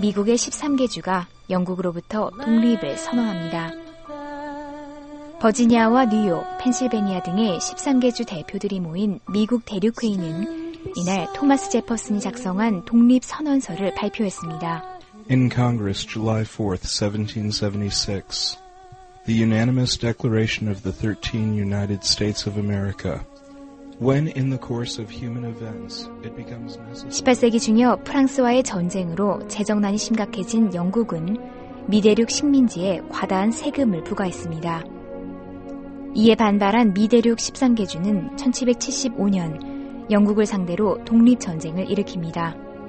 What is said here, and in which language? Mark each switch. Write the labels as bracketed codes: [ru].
[ko] 미국의 13개 주가 영국으로부터 독립을 선언합니다. 버지니아와 뉴욕, 펜실베니아 등의 13개 주 대표들이 모인 미국 대륙회의는 이날 토마스 제퍼슨이 작성한 독립선언서를 발표했습니다. [en] In Congress, July 4th, 1776, the unanimous declaration of the 13 United States of America. When in the course of human events, it becomes necessary. [ko] 18세기 중여 프랑스와의 전쟁으로 재정난이 심각해진 영국은 미대륙 식민지에 과다한 세금을 부과했습니다. 이에 반발한 미대륙 13개주는 1775년 영국을 상대로 독립전쟁을 일으킵니다.